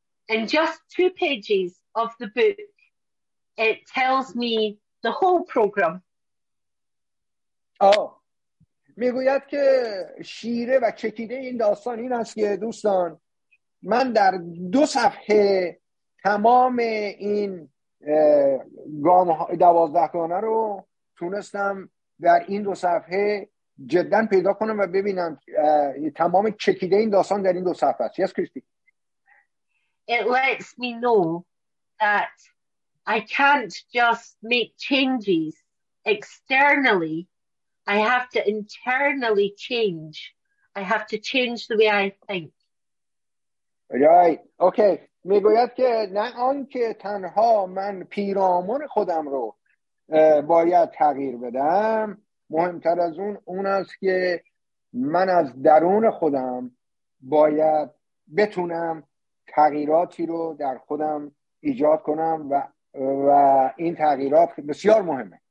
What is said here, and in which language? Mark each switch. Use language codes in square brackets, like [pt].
[en] In just 2 pages of the book, it tells me the whole program. Oh. [fa] میگوید که شیره و چکیده این داستان این است که دوستان من در 2 صفحه تمام این گام 12 گانه رو تونستم در این 2 صفحه جدا پیدا کنم و ببینم تمام چکیده این داستان در این 2 صفحه است. [en] Yes, Christy. it lets me know that I can't just make changes externally. I have to internally change. I have to change the way I think. Right. Okay. [fa] میگوید که نه آنکه تنها من پیرامون خودم رو باید تغییر بدم، مهمتر از اون است که من از درون خودم باید بتونم تغییراتی رو در خودم ایجاد کنم و این تغییرات بسیار مهمه.